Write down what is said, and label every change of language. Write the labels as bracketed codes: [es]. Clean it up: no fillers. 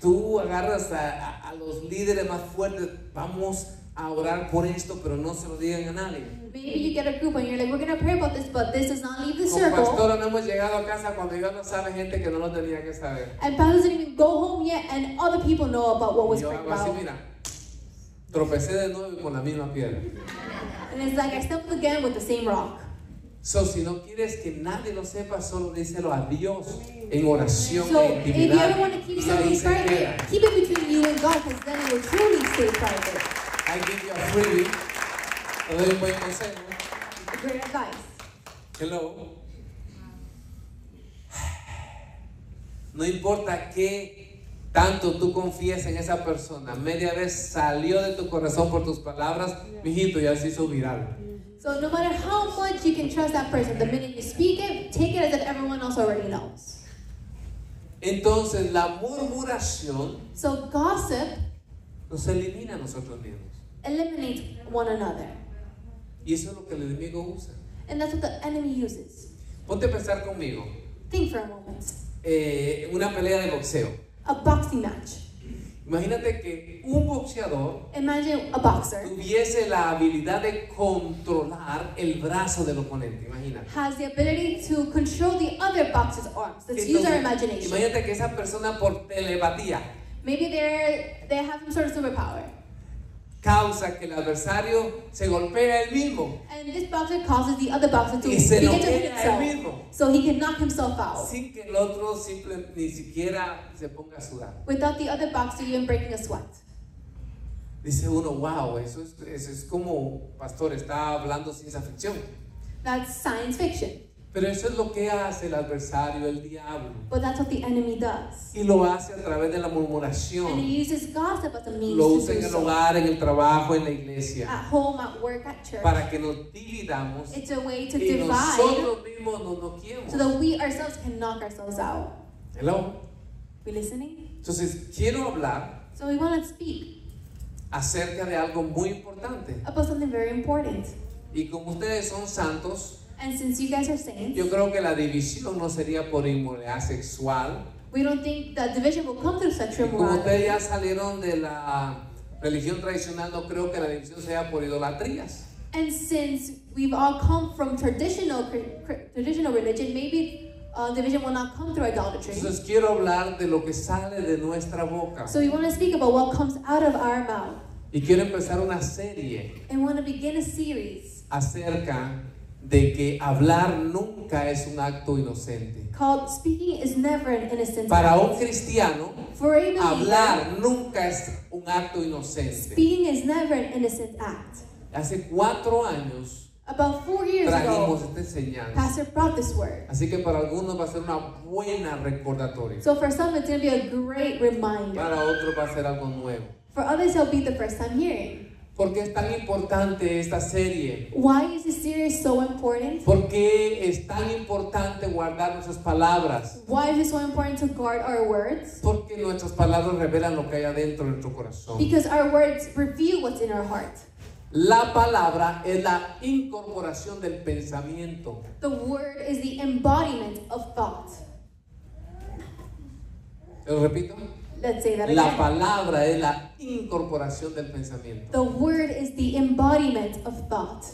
[es] Tú agarras a los líderes más fuertes, vamos a orar por esto, pero no se lo digan a nadie. [en] Maybe you get a group and you're like, we're going to pray about this, but this does not leave the [es] Como [en] circle. [es] Pastora, no hemos llegado a casa cuando yo no sabe gente que no lo tenía que saber. [en] And pastors didn't even go home yet and other people know about what was prayed about. [es] Así, mira, tropecé de nuevo con la misma piedra. [en] And it's like I stepped again with the same rock. [es] So, si no quieres que nadie lo sepa, solo díselo a Dios en oración, [en] so, [es] en intimidad. [en] If you ever want to keep something private, keep it between you and God, because then it will truly stay private. I give you a freebie. [es] Te doy un buen consejo. [en] Great advice. Hello. [es] No importa qué tanto tú confías en esa persona, media vez salió de tu corazón por tus palabras, mijito, ya se hizo viral. [en] So no matter how much you can trust that person, the minute you speak it, take it as if everyone else already knows. [es] Entonces, la murmuración [en] so gossip [es] nos elimina a nosotros mismos. [en] Eliminates one another. [es] Y eso es lo que el enemigo usa. [en] And that's what the enemy uses. [es] Ponte a pensar conmigo. [en] Think for a moment. [es] Una pelea de boxeo. [en] A boxing match. [es] Imagínate que un boxeador tuviese la habilidad de controlar el brazo del oponente. Imagínate. [en] Has the ability to control the other boxer's arms. Let's [es] Entonces, [en] use our imagination. [es] Imagínate que esa persona por telepatía. [en] Maybe they have some sort of superpower. [es] Causa que el adversario se golpea él mismo. [en] And this boxer causes the other boxer to begin to hit himself. So he can knock himself out. [es] Sin que el otro simple ni siquiera se ponga a sudar. [en] Without the other boxer even breaking a sweat. [es] Dice uno, wow, eso es como pastor está hablando ciencia ficción. [en] That's science fiction. [es] Pero eso es lo que hace el adversario, el diablo. [en] But that's what the enemy does. [es] Y lo hace a través de la murmuración. [en] And he uses gossip as a means [es] lo usa en el hogar, en el trabajo, en la iglesia. [en] At home, at work, at church. [es] Para que nos dividamos. [en] It's a way to [es] y [en] divide. [es] Nosotros mismos nos noquemos. [en] So that we ourselves can knock ourselves out. Hello. We listening? [es] Entonces, quiero hablar. [en] So we want to speak. [es] Acerca de algo muy importante. [en] About something very important. [es] Y como ustedes son santos. [en] And since you guys are saints, [es] yo creo que la división no sería por inmoralidad sexual. [en] We don't think that division will come through sexual immorality. [es] Como ustedes ya salieron de la religión tradicional, no creo que la división sea por idolatrías. [en] And since we've all come from traditional religion, maybe division will not come through idolatry. [es] Entonces quiero hablar de lo que sale de nuestra boca. [en] So we want to speak about what comes out of our mouth. [es] Y quiero empezar una serie. [en] And want to begin a series. [es] Acerca de que hablar nunca es un acto inocente. [en] Called speaking is never an innocent [es] Para [en] act. [es] Un cristiano, [en] For a believer, [es] hablar nunca es un acto inocente. [en] Speaking is never an innocent act. [es] Hace 4 años, [en] About 4 years [es] trajimos [en] ago, [es] esta enseñanza. [en] Pastor brought this word. [es] Así que para algunos va a ser una buena recordatoria. [en] So for some it's going to be a great reminder. [es] Para otros va a ser algo nuevo. [en] For others it'll be the first time hearing. [es] ¿Por qué es tan importante esta serie? [en] Why is this series so important? [es] ¿Por qué es tan importante guardar nuestras palabras? [en] Why is it so important to guard our words? [es] Porque nuestras palabras revelan lo que hay adentro de nuestro corazón. [en] Because our words reveal what's in our heart. [es] La palabra es la incorporación del pensamiento. [en] The word is the embodiment of thought. [es] ¿Lo repito? [en] Let's say that again. [es] La palabra es la incorporación del pensamiento. [en] The word is the embodiment of thought.